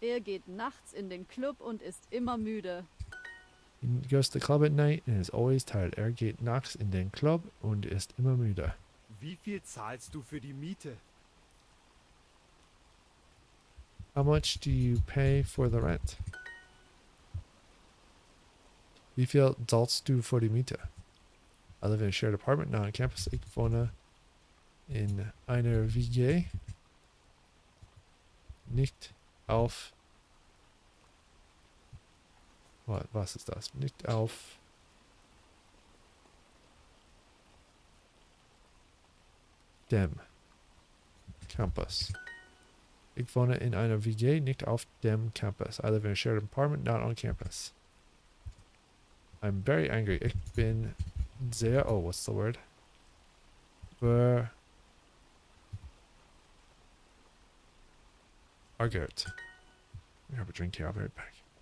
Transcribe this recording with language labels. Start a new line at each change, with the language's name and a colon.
German: Er geht nachts in den Club und ist immer müde.
English: He goes to the club at night and is always tired.
German: Er geht nachts in den Club und ist immer müde. Wie viel zahlst du für die Miete?
English: How much do you pay for the rent?
German: Wie viel zahlst du für die Miete?
English: I live in a shared apartment, not on campus.
German: Ich wohne in einer WG, nicht auf. Was ist das? Nicht auf. Dem. Campus. Ich wohne in einer WG, nicht auf dem Campus.
English: I live in a shared apartment, not on campus. I'm very angry.
German: Ich bin sehr,
English: oh, what's the word? Argert. I have a drink here, I'll be right back.